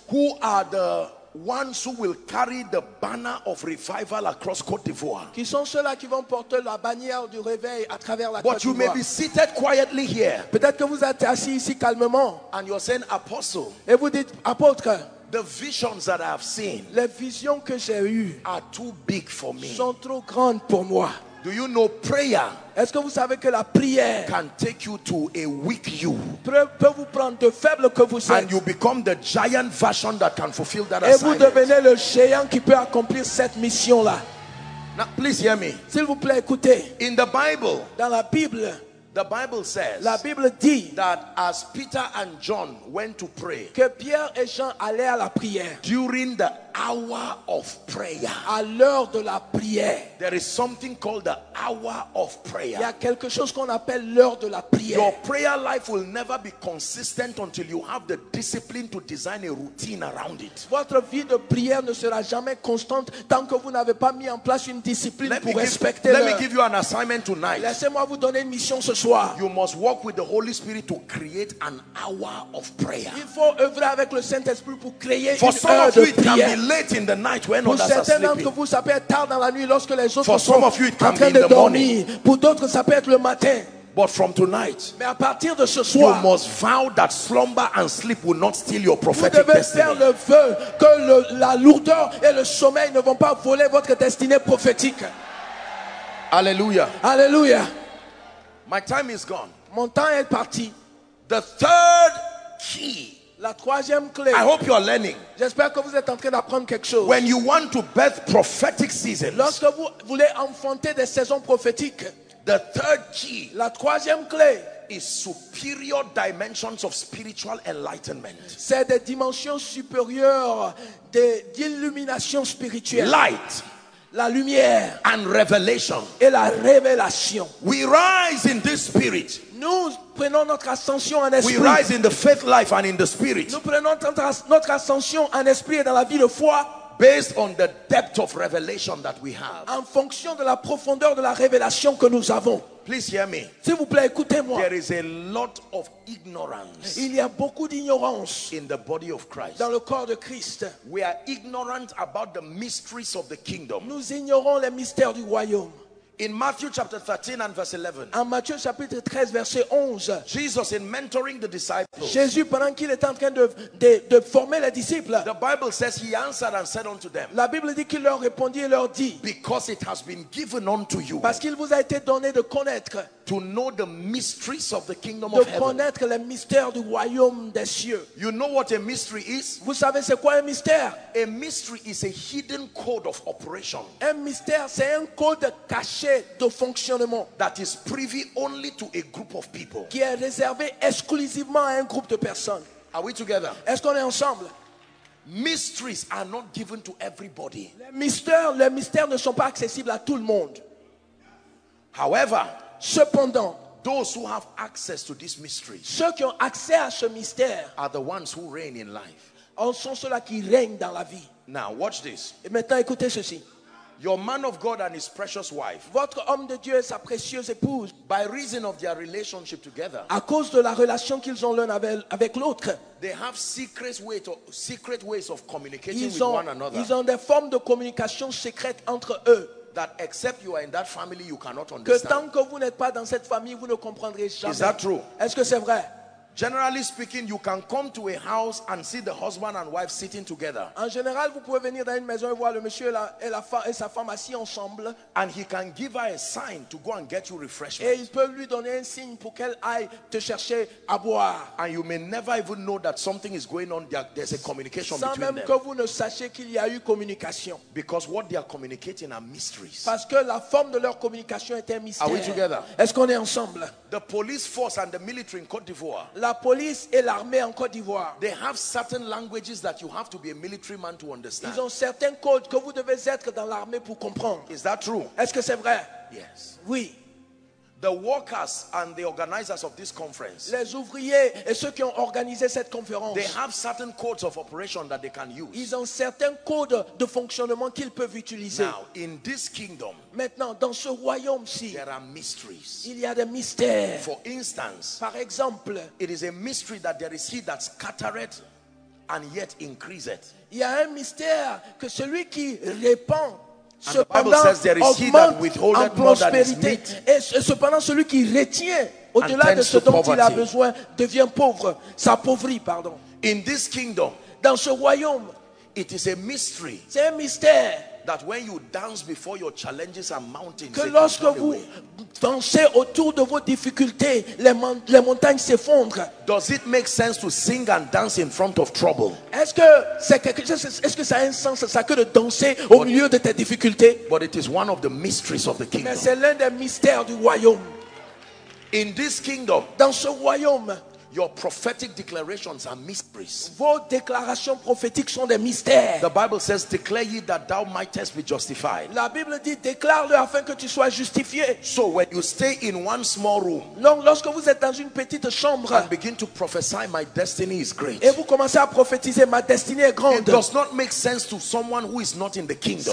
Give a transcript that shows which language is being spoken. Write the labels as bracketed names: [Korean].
[English] Who are the ones who will carry the banner of revival across Côte d'Ivoire? [French] Qui sont ceux-là qui vont porter la bannière du réveil à travers la [English] but [French] Côte d'Ivoire? [English] But you may be seated quietly here. [French] Peut-être que vous êtes assis ici calmement. [English] And you're saying, apostle. [French] Et vous dites, apôtre. [English] The visions that I have seen. [French] Les visions que j'ai eues. [English] Are too big for me. [French] Sont trop grandes pour moi. [English] Do you know prayer? [French] Est-ce que vous savez que la prière [English] can take you to a weak you? [French] Peut vous prendre de faible que vous êtes. [English] And you become the giant version that can fulfill that [French] et [English] assignment. [French] Et vous devenez le géant qui peut accomplir cette mission là. [English] Now please hear me. [French] S'il vous plaît, écoutez. [English] In the Bible, [French] dans la Bible, [English] the Bible says, [French] la Bible dit [English] that as Peter and John went to pray, [French] que Pierre et Jean allaient à la prière, [English] during the hour of prayer, [French] à l'heure de la prière, [English] there is something called the hour of prayer. [French] Il y a quelque chose qu'on appelle l'heure de la prière. [English] Your prayer life will never be consistent until you have the discipline to design a routine around it. [French] Votre vie de prière ne sera jamais constante tant que vous n'avez pas mis en place une discipline pour respecter. [English] Let me give you an assignment tonight. [French] Laissez-moi vous donner une mission. [English] You must work with the Holy Spirit to create an hour of prayer. [French] Il faut œuvrer avec le Saint-Esprit pour créer [English] for [French] une heure de prière. [English] For some of you, it can be late in the night when [French] pour [English] others are sleeping. [French] Pour certains, vous, ça peut être tard dans la nuit lorsque les autres [English] for [French] sont [English] some of you, it can [French] en train [English] be [French] de [English] in the [French] dormir. [English] Morning. [French] Pour d'autres, ça peut être le matin. [English] But from tonight, [French] mais à partir de ce soir, [English] you must vow that slumber and sleep will not steal your prophetic destiny. [French] Vous devez [English] destiny. [French] Faire le vœu que la lourdeur et le sommeil ne vont pas voler votre destinée prophétique. Alléluia. Alléluia. [English] My time is gone. [French] Mon temps est parti. [English] The third key. [French] La troisième clé. [English] I hope you are learning. [French] J'espère que vous êtes en train d'apprendre quelque chose. [English] When you want to birth prophetic seasons. [French] Lorsque vous voulez enfanter des saisons prophétiques. [English] The third key. [French] La troisième clé. [English] Is superior dimensions of spiritual enlightenment. [French] C'est des dimensions supérieures d'illumination spirituelle. [English] Light. [French] La lumière [English] and revelation. [French] Et la révélation. [English] We rise in this spirit. [French] Nous prenons notre ascension en esprit. [English] We rise in the faith life and in the spirit. [French] Nous prenons notre ascension en esprit et dans la vie de foi. [English] based on the depth of revelation that we have. [French] En fonction de la profondeur de la révélation que nous avons. [English] Please hear me. [French] S'il vous plaît, écoutez-moi. [English] There is a lot of ignorance. [French] Il y a beaucoup d'ignorance [English] in the body of Christ. [French] Dans le corps de Christ. [English] We are ignorant about the mysteries of the kingdom. [French] Nous ignorons les mystères du royaume. [English] In Matthew chapter 13 and verse 11. [French] En Matthieu chapitre 13 verset 11. [English] Jesus in mentoring the disciples. [French] Jésus pendant qu'il était en train de former les disciples. [English] The Bible says he answered and said unto them. [French] La Bible dit qu'il leur répondit et leur dit. [English] Because it has been given unto you. [French] Parce qu'il vous a été donné de connaître. [English] To know the mysteries of the kingdom of heaven. [French] De connaître les mystères du royaume des cieux. [English] You know what a mystery is? [French] Vous savez c'est quoi un mystère? [English] A mystery is a hidden code of operation. [French] Un mystère c'est un code caché de fonctionnement [English] that is privy only to a group of people. [French] Qui est réservé exclusivement à un groupe de personnes. [English] Are we together? [French] Est-ce qu'on est ensemble? [English] Mysteries are not given to everybody. [French] Les mystères ne sont pas accessibles à tout le monde. [English] However, [French] cependant, [English] those who have access to this mystery, [French] ceux qui ont accès à ce mystère, [English] are the ones who reign in life. [French] En sont ceux-là qui règnent dans la vie. [English] Now watch this. [French] Et maintenant écoutez ceci. [English] Your man of God and his precious wife. [French] Votre homme de Dieu et sa précieuse épouse. [English] By reason of their relationship together. [French] À cause de la relation qu'ils ont l'un avec l'autre. [English] They have secret ways of communicating with one another. [French] Ils ont des formes de communication secrètes entre eux. [English] That except you are in that family, you cannot understand. [French] Que tant que vous n'êtes pas dans cette famille, vous ne comprendrez jamais. [English] Is that true? [French] Est-ce que c'est vrai? [English] Generally speaking, you can come to a house and see the husband and wife sitting together. [French] En général, vous pouvez venir dans une maison et voir le monsieur et sa femme assis ensemble. [English] And he can give her a sign to go and get you refreshment. [French] Et il peut lui donner un signe pour qu'elle aille te chercher à boire. [English] And you may never even know that something is going on. There's a communication between them. [French] Sans même que vous ne sachiez qu'il y a eu communication. [English] Because what they are communicating are mysteries. [French] Parce que la forme de leur communication est un mystère. [English] Are we together? [French] Est-ce qu'on est ensemble? [English] The police force and the military in Côte d'Ivoire. [French] La police et l'armée en Côte d'Ivoire. [English] They have certain languages that you have to be a military man to understand. [French] Ils ont certains codes que vous devez être dans l'armée pour comprendre. [English] Is that true? [French] Est-ce que c'est vrai? [English] Yes. [French] Oui. [English] The workers and the organizers of this conference. [French] Les ouvriers et ceux qui ont organisé cette conférence. [English] They have certain codes of operation that they can use. [French] Ils ont certains codes de fonctionnement qu'ils peuvent utiliser. [English] Now, in this kingdom. [French] Maintenant, dans ce royaume-ci. [English] There are mysteries. [French] Il y a des mystères. [English] For instance. [French] Par exemple. [English] It is a mystery that there is he that scattereth and yet increaseth. [French] Il y a un mystère que celui qui répand. [English] And the Bible says there is he that withholdeth more than his meat. [French] Cependant, celui qui retient au-delà de ce dont il a besoin devient pauvre. S'appauvrit, pardon. [English] In this kingdom, [French] dans ce royaume, [English] it is a mystery. [French] C'est un mystère. [English] That when you dance before your challenges and mountains, [French] que lorsque vous dansez autour de vos difficultés, les montagnes s'effondrent. [English] Does it make sense to sing and dance in front of trouble? [French] Est-ce que ça a un sens ça que de danser au milieu de tes difficultés? [English] But it is one of the mysteries of the kingdom. [French] Mais c'est l'un des mystères du royaume. [English] In this kingdom, [French] dans ce royaume, [English] your prophetic declarations are mysteries. [French] Vos déclarations prophétiques sont des mystères. [English] The Bible says, declare ye that thou mightest be justified. [French] La Bible dit, déclare-le afin que tu sois justifié. [English] So when you stay in one small room, [French] donc lorsque vous êtes dans une petite chambre, [English] and begin to prophesy, my destiny is great. [French] Et vous commencez à prophétiser, ma destinée est grande. [English] It does not make sense to someone who is not in the kingdom.